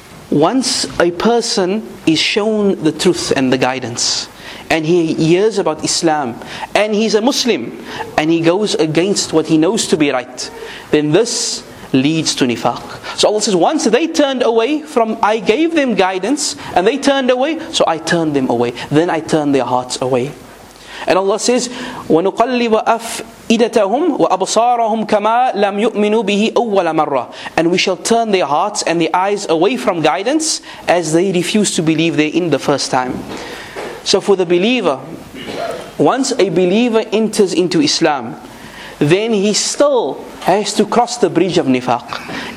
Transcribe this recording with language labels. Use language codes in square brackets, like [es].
[en] Once a person is shown the truth and the guidance, and he hears about Islam, and he's a Muslim, and he goes against what he knows to be right, then this leads to nifaq. So Allah says, once they turned away from, I gave them guidance, and they turned away, so I turned them away. Then I turned their hearts away. And Allah says, [ar] وَنُقَلِّبَ أَفْئِدَتَهُمْ وَأَبْصَارَهُمْ كَمَا لَمْ يُؤْمِنُوا بِهِ أَوَّلَ مَرَّةٍ. [en] And we shall turn their hearts and their eyes away from guidance as they refuse to believe therein the first time. So for the believer, once a believer enters into Islam, then he still has to cross the bridge of nifaq.